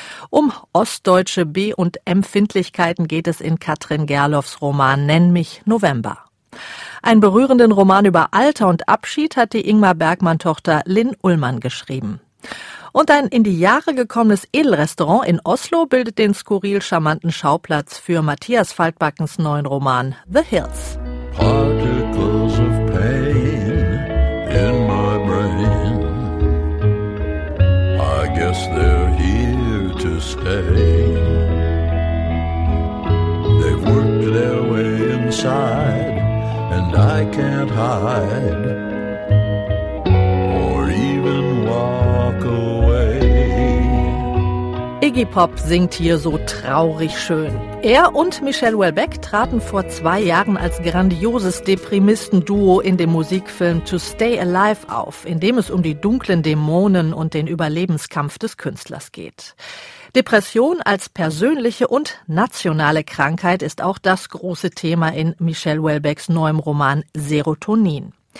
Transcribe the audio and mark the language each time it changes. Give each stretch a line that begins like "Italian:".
German: Um ostdeutsche B- und Empfindlichkeiten geht es in Katrin Gerloffs Roman Nenn mich November. Einen berührenden Roman über Alter und Abschied hat die Ingmar Bergmann-Tochter Lynn Ullmann geschrieben. Und ein in die Jahre gekommenes Edelrestaurant in Oslo bildet den skurril charmanten Schauplatz für Matthias Faltbackens neuen Roman The Hills.
English: Particles of pain in my brain. I guess they're here to stay. They've worked their way inside, and I can't hide or even walk away.
German: Iggy Pop singt hier so traurig schön. Er und Michel Houellebecq traten vor 2 Jahren als grandioses Deprimisten-Duo in dem Musikfilm To Stay Alive auf, in dem es um die dunklen Dämonen und den Überlebenskampf des Künstlers geht. Depression als persönliche und nationale Krankheit ist auch das große Thema in Michel Houellebecqs neuem Roman Serotonin.